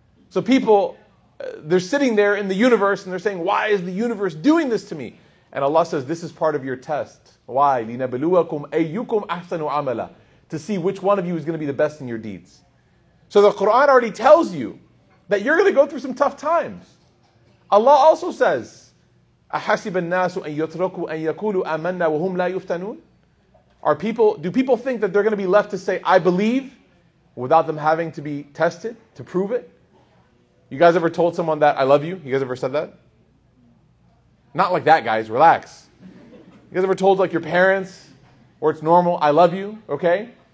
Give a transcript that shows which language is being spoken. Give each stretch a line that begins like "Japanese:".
English: So people, they're sitting there in the universe and they're saying, why is the universe doing this to me? And Allah says, this is part of your test. Why?
Arabic: لِنَبْلُوَكُمْ أَيُّكُمْ أَحْسَنُ عَمَلًا.
English: To see which one of you is going to be the best in your deeds. So the Quran already tells you that you're going to go through some tough times. Allah also says,
Arabic: أَحَسِبَ النَّاسُ أَن يَتْرَكُوا أَن يَقُولُوا أَمَنَّا وَهُمْ لَا يُفْتَنُونَ.
English: Do people think that they're going to be left to say, I believe, without them having to be tested to prove it? You guys ever told someone that, I love you? You guys ever said that? Not like that, guys. Relax. You guys ever told like your parents, or it's normal, I love you, okay?